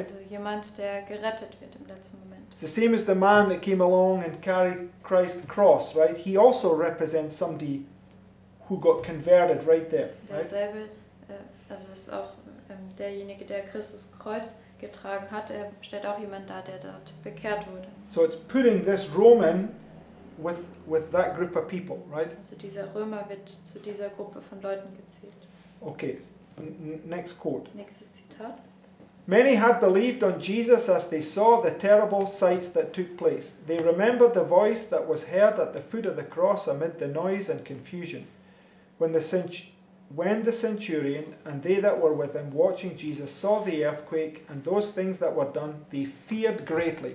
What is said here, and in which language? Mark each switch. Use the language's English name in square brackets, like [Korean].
[German] Also jemand, der gerettet wird im letzten Moment. [English] It's the same as the man that came along and carried Christ's cross, right? He also represents somebody who got converted right there. [German] Derselbe, also ist auch derjenige, der Christus Kreuz getragen hat, er stellt auch jemand dar, der dort bekehrt wurde. [English] So it's putting this Roman with that group of people, right? [German] Also dieser Römer wird zu dieser Gruppe von Leuten gezählt. [English] Okay, next quote. [German] Nächstes Zitat. [English] Many had believed on Jesus as they saw the terrible sights that took place. They remembered the voice that was heard at the foot of the cross amid the noise and confusion. When the centurion and they that were with him watching Jesus saw the earthquake and those things that were done, they feared greatly.